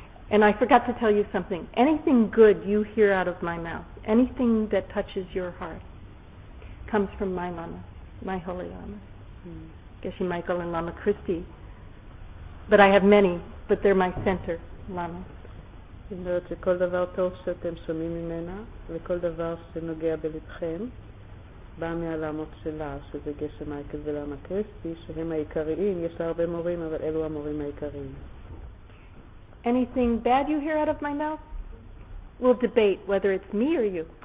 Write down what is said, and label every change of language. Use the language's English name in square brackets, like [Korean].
[English] And I forgot to tell you something. Anything good you hear out of my mouth, anything that touches your heart, comes from my Lama, my Holy Lama. Geshe Michael and Lama Christie. But I have many, but they're my center, Lama. [Hebrew] זאת אומרת שכל דבר טוב שאתם שומעים ממנה, וכל דבר שנוגע בלבכם, בא מהלמות שלה, שזה גשם מייקל ולמה קריסטי, שהם העיקריים, יש לה הרבה מורים, אבל אלו המורים העיקריים. [English] Anything bad you hear out of my mouth? We'll debate whether it's me or you.